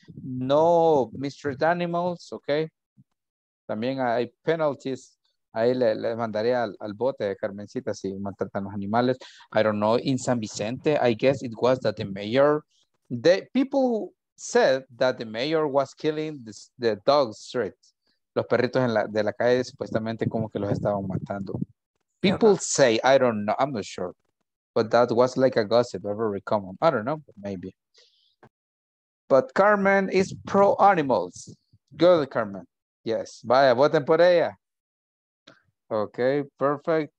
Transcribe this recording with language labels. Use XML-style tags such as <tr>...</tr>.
<en>No mistreat animals, okay?</en> <es>También hay</es> <en>penalties.</en> <es>Ahí le mandaré al bote de Carmencita si maltratan los animales.</es> <en>I don't know, in San Vicente, I guess it was that the mayor, the people said that the mayor was killing the dog street.</en> <es>Los perritos de la calle supuestamente como que los estaban matando.</es> <en>People say, I don't know, I'm not sure. But that was like a gossip, very common. I don't know, but maybe. But Carmen is pro animals. Good, Carmen. Yes.</en> <es>Vaya, voten por ella.</es> <en>Okay, perfect.</en>